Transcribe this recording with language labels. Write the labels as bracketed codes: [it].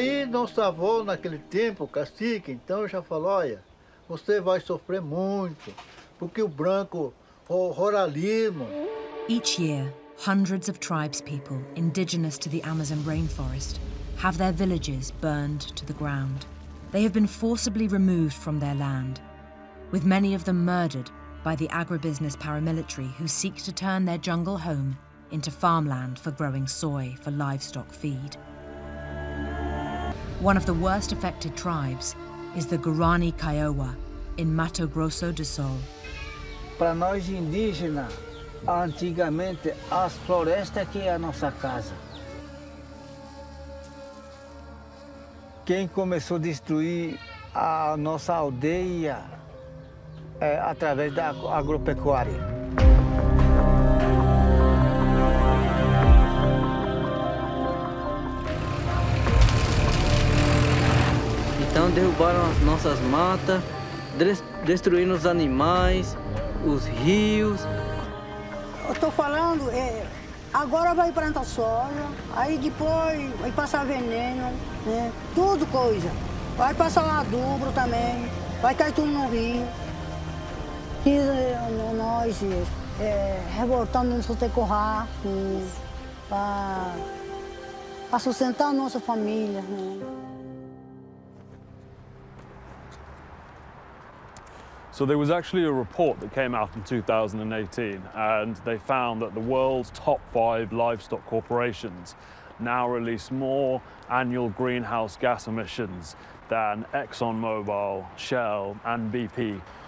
[pt] Nosso avô, naquele tempo, cacique, então já falou, olha, você vai sofrer muito, porque o branco, o ruralismo. [en] Each year, hundreds of tribespeople indigenous to the Amazon rainforest have their villages burned to the ground. They have been forcibly removed from their land, with many of them murdered by the agribusiness paramilitary who seek to turn their jungle home into farmland for growing soy for livestock feed. One of the worst affected tribes is the Guarani Kiowa in Mato Grosso do Sul. [pt] Para nós indígenas, antigamente as florestas que é a nossa casa. Quem começou a destruir a nossa aldeia é através da agropecuária. Então derrubaram as nossas matas, destruíram os animais, os rios. Eu tô falando, agora vai plantar soja, aí depois vai passar veneno, né? Tudo coisa. Vai passar adubo também, vai cair tudo no rio. E nós revoltando nosso tecorraco para sustentar a nossa família. Né? [en] So there was actually a report that came out in 2018, and they found that the world's top five livestock corporations now release more annual greenhouse gas emissions than ExxonMobil, Shell, and BP.